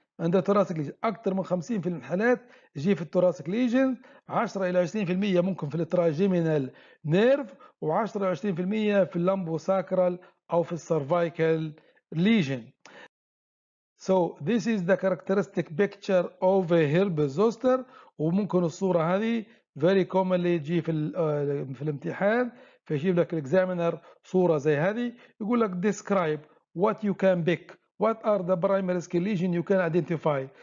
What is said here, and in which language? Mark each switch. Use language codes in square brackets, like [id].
[ar] عند thoracic lesion أكثر من 50% من الحالات يجي في thoracic lesion. 10 إلى 20% ممكن في trigeminal nerve, و10 إلى 20% في lumbosacral أو في cervical lesion. [en] So this is the characteristic picture of a herpes zoster. [ar] وممكن الصورة هذه [en] very commonly [ar] يجي في الامتحان, فيجيب لك الاكزامينر صورة زي هذه, يقول لك [en] describe what you can pick, what are the primary skin lesion you can identify.